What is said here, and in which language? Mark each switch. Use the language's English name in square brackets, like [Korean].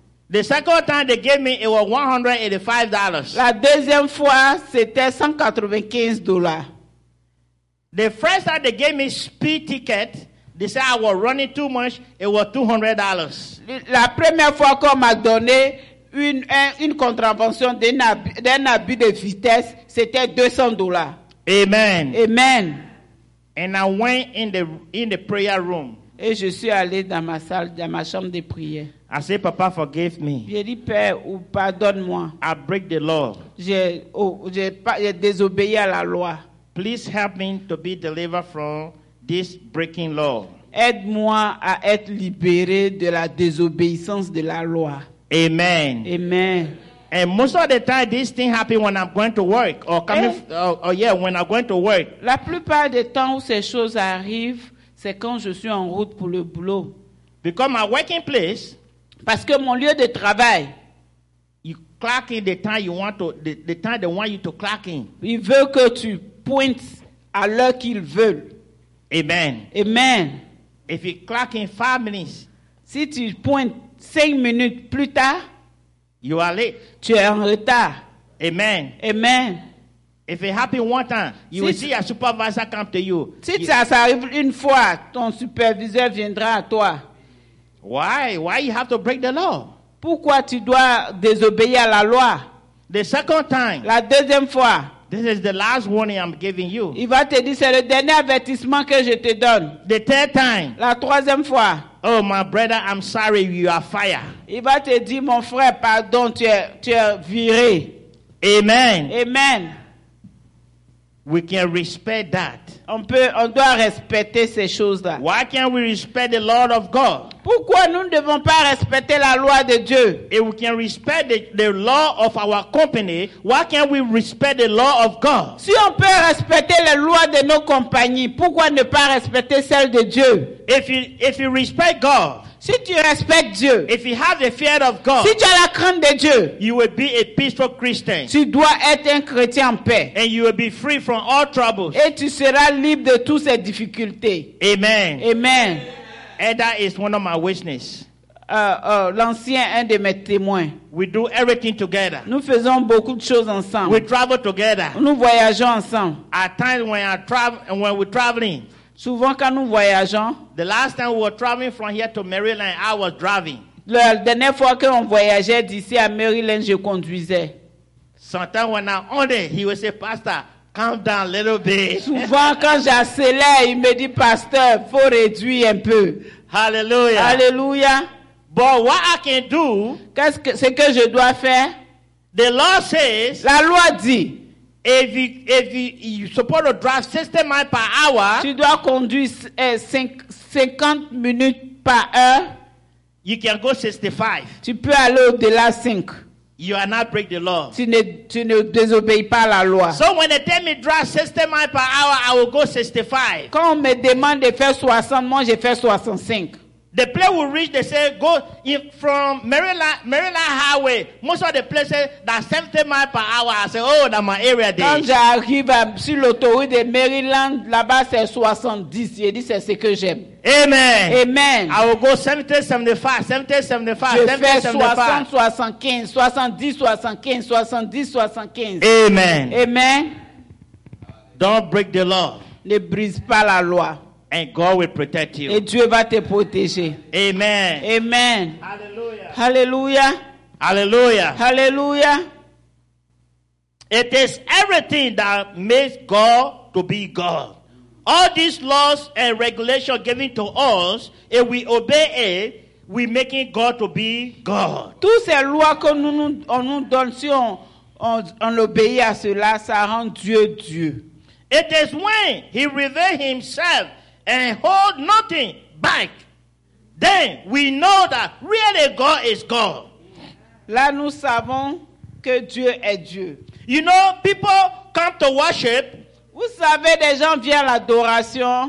[English] The second time they gave me, it was $185. [French] La deuxième fois, c'était $195. [English] The first time they gave me speed ticket, they said I was running too much, it was $200. [French] La première fois qu'on m'a donné une contravention d'un abus de vitesse, c'était $200. [English] Amen. [French] Amen. [English] And I went in the prayer room. [French] Et je suis allé dans ma salle, dans ma chambre de prière. [English] I say, Papa, forgive me. [French] J'ai dit, Père, ou pardonne-moi. [English] I break the law. [French] J'ai désobéi à la loi. [English] Please help me to be delivered from this breaking law. [French] Aide-moi à être libéré de la désobéissance de la loi. [English] Amen. [French] Amen. [English] And most of the time, this thing happens when I'm going to work. Or coming, when I'm going to work. [French] La plupart des temps où ces choses arrivent, c'est quand je suis en route pour le boulot. [English] Because my working place, [French] parce que mon lieu de travail, [English] you clock in the time you want to, the time they want you to clock in. [French] Il veut que tu pointes à l'heure qu'ils veulent. [English] Amen. [French] Amen. [English] If you clock in 5 minutes, [French] si tu pointes 5 minutes plus tard, [English] you are late. [French] Tu es en retard. [English] Amen. [French] Amen. [English] If it happens one time, you will see your supervisor come to you. [French] Si ça arrive une fois, ton superviseur viendra à toi. [English] Why? Why you have to break the law? [French] Pourquoi tu dois désobéir à la loi? [English] The second time. [French] La deuxième fois. [English] This is the last warning I'm giving you. [French] Il va te dire, c'est le dernier avertissement que je te donne. [English] The third time. [French] La troisième fois. [English] Oh, my brother, I'm sorry, you are fired. [French] Il va te dire, mon frère, pardon, tu es viré. [English] Amen. [French] Amen. [English] We can respect that. [French] On doit respecter ces choses-là. [English] Why can't we respect the law of God? [French] Pourquoi nous ne devons pas respecter la loi de Dieu? [English] If we can respect the law of our company, why can't we respect the law of God? [French] Si on peut respecter les lois de nos compagnies, pourquoi ne pas respecter celles de Dieu? [English] If you respect God, [French] si tu respectes Dieu, [English] if you have the fear of God, [French] si tu as la crainte de Dieu, [English] you will be a peaceful Christian. [French] Tu dois être un chrétien en paix. [English] And you will be free from all troubles. [French] Et tu seras libre de toutes ces difficultés. [English] Amen. [French] Amen. [English] And that is one of my witnesses. [French] L'ancien un de mes témoins. [English] We do everything together. [French] Nous faisons beaucoup de choses ensemble. [English] We travel together. [French] Nous voyageons ensemble. [English] At times when I travel and when we're traveling. [French] Souvent quand nous voyageons. [English] The last time we were traveling from here to Maryland, I was driving. [French] La dernière fois que on voyageait d'ici à Maryland, je conduisais. [English] Sometimes when I'm on it, he would say, Pastor, calm down a little bit. [French] Souvent quand j'accélère, il me dit, Pasteur, faut réduire un peu. [English] Hallelujah. [French] Hallelujah. [English] But what I can do? [French] Qu'est-ce que je dois faire? [English] The law says. [French] La loi dit. [English] If you supposed to drive 60 miles per hour, [French] tu dois conduire 50 minutes par heure. [English] You can go 65. [French] Tu peux aller au-delà 5. [English] You are not break the law. [French] Tu ne désobéis pas à la loi. [English] So when they tell me drive 60 miles per hour, I will go 65. [French] Quand on me demande de faire 60, moi je fais 65. [English] The place we reach, they say, go if from Maryland Highway. Most of the places that 70 miles per hour. I say, oh, that my area there. [French] Quand j'arrive sur l'autoroute de Maryland, là-bas c'est 70. Je dis, c'est ce que j'aime. [English] Amen. [French] Amen. [English] I will go 70, 75. [French] Je fais 70, 75. [English] Amen. [French] Amen. [English] Don't break the law. [French] Ne brise pas la loi. [English] And God will protect you. [French] Et Dieu va te protéger. [English] Amen. [French] Amen. [English] Hallelujah. [French] Hallelujah. [English] Hallelujah. [French] Hallelujah. [English] It is everything that makes God to be God. All these laws and regulations given to us, if we obey it, we making God to be God. [French] Toutes ces lois que nous donne, si on obéit à cela, ça rend Dieu Dieu. [English] It is when He reveals Himself and hold nothing back, then we know that really God is God. [French] Là, nous savons que Dieu est Dieu. [English] You know, people come to worship. [French] Vous savez, des gens viennent à l'adoration.